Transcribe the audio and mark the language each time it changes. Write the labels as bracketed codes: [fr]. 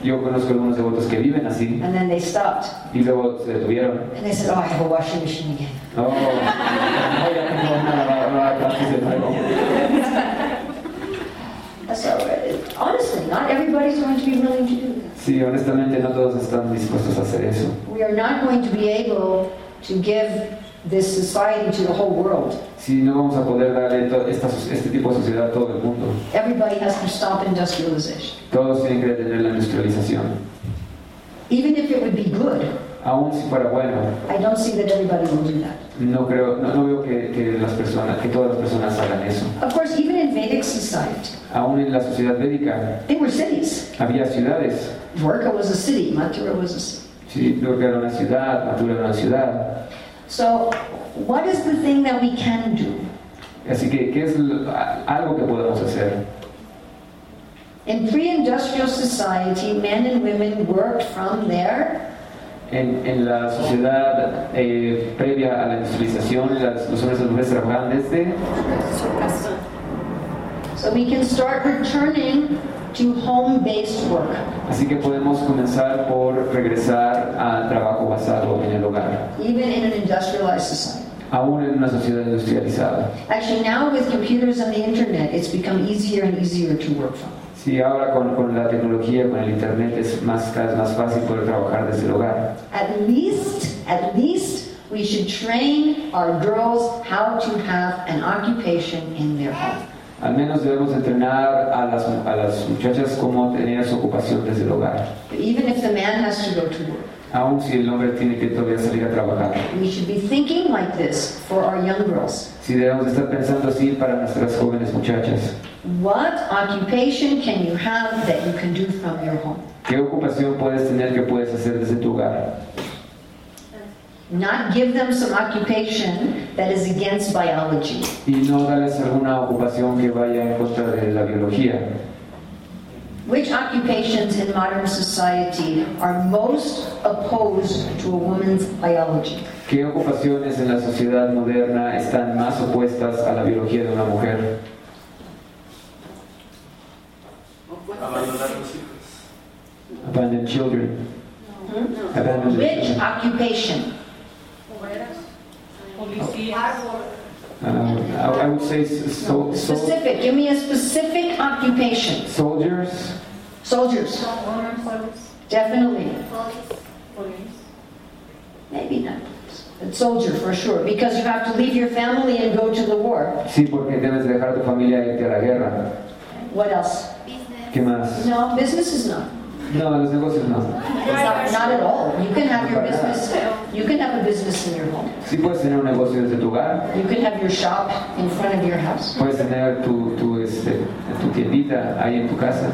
[es] Yo conozco algunos devotos que viven así. [en] And then they stopped. [es] Y luego se detuvieron. [en] And they said, oh, I have a washing machine again. [es] Oh, ya tengo una lavadora de plásticos de nuevo. [en] So, honestly, not everybody's going to be willing to do that. [es] Sí, honestamente, no todos están dispuestos a hacer eso. [en] We are not going to be able to give this society to the whole world. [es] Si no vamos a poder darle este tipo de sociedad a todo el mundo. [en] Everybody has to stop industrialization. [es] Todos tienen que detener la industrialización. [en] Even if it would be good. [es] Aún si fuera bueno. [en] I don't see that everybody will do that. [es] No creo, no veo que las personas, que todas las personas hagan eso. [en] Of course, even in Vedic society. [es] Aún en la sociedad védica. [en] There were cities. [es] Había ciudades. [en] Dwarka was a city. Mathura was a city. [es] Sí, Dwarka era una ciudad. Mathura era una ciudad. [en] So, what is the thing that we can do? [es] Así que, ¿qué es algo que podemos hacer? [en] In pre-industrial society, men and women worked from there. [es] En la sociedad previa a la industrialización, los hombres y las mujeres trabajaban desde. [en] So we can start returning to home-based work. [es] Así que podemos comenzar por regresar al trabajo basado en el hogar. [en] Even in an industrialized society. [es] Aún en una sociedad industrializada. [en] Actually, now with computers and the internet, it's become easier and easier to work from. [es] Sí, ahora con la tecnología, con el internet, es más fácil poder trabajar desde el hogar. [en] At least, we should train our girls how to have an occupation in their home. [es] Al menos debemos entrenar a las muchachas cómo tener su ocupación desde el hogar. [en] Even if the man has to go to work. [es] Aún si el hombre tiene que todavía salir a trabajar. [en] We should be thinking like this for our young girls. [es] Sí, debemos estar pensando así para nuestras jóvenes muchachas. [en] What occupation can you have that you can do from your home? [es] ¿Qué ocupación puedes tener que puedes hacer desde tu hogar? [en] Not give them some occupation that is against biology. [es] Y no darles alguna ocupación que vaya en contra de la biología. [en] Which occupations in modern society are most opposed to a woman's biology? [es] ¿Qué ocupaciones en la sociedad moderna están más opuestas a la biología de una mujer? [en] Abandon children. No. Hmm? No. Which children. Occupation? Oh. I would say specific. Give me a specific occupation. Soldiers. Soldiers. Definitely. Police. Maybe not. But soldier for sure, because you have to leave your family and go to the war. [es] Sí, porque debes dejar tu familia y irte a la guerra. [en] What else? Business. [es] ¿Qué más? [en] No, business is not. [es] No, los negocios no. [en] Not at all. You can have your business. You can have a business in your home. [es] Sí, puedes tener un negocio desde tu hogar. [en] You can have your shop in front of your house. [es] Puedes tener tu tiendita ahí en tu casa.